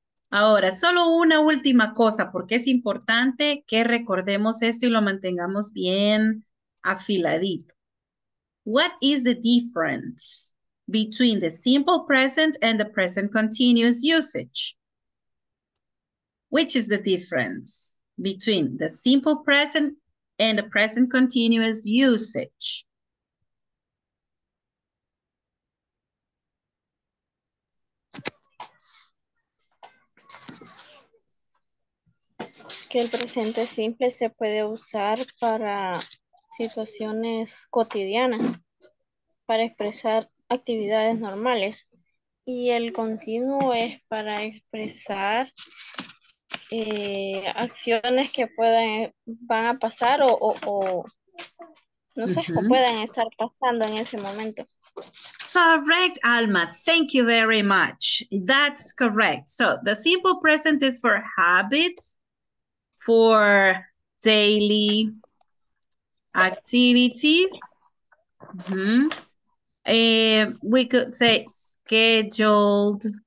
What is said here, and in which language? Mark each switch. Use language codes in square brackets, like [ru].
[es] Ahora, solo una última cosa, porque es importante que recordemos esto y lo mantengamos bien afiladito. [en] What is the difference between the simple present and the present continuous usage? Which is the difference between the simple present and the present continuous usage? [es] Que el presente simple se puede usar para situaciones cotidianas, para expresar actividades normales. Y el continuo es para expresar acciones que pueden, van a pasar o no sé, uh-huh. O pueden estar pasando en ese momento. [en] Correct, Alma. Thank you very much. That's correct. So, the simple present is for habits, for daily activities. Mm-hmm. We could say scheduled